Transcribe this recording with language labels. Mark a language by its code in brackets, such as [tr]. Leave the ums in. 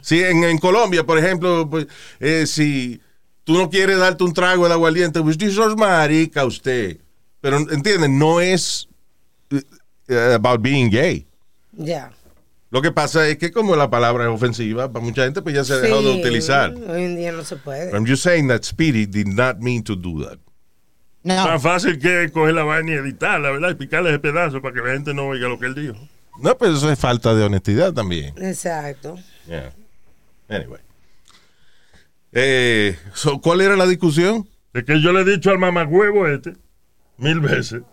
[es] Sí, si en, en, Colombia, por ejemplo, pues, eh, si tú no quieres darte un trago de aguardiente, pues marica usted. Pero, ¿entiendes? No es uh, [en] about being gay. Ya. Yeah. [es] Lo que pasa es que como la palabra es ofensiva para mucha gente, pues ya se ha dejado sí, de utilizar. Hoy en día no se puede. [en] I'm just saying that Speedy did not mean to do that. [es] No. Más fácil que coger la vaina y editarla, ¿verdad? Y picarle ese pedazo para que la gente no oiga lo que él dijo. No, pues eso es falta de honestidad también. [en] Exacto. Yeah. Anyway. [es] Eh, so, ¿Cuál era la discusión? De es que yo le he dicho al mamacuevo este mil veces.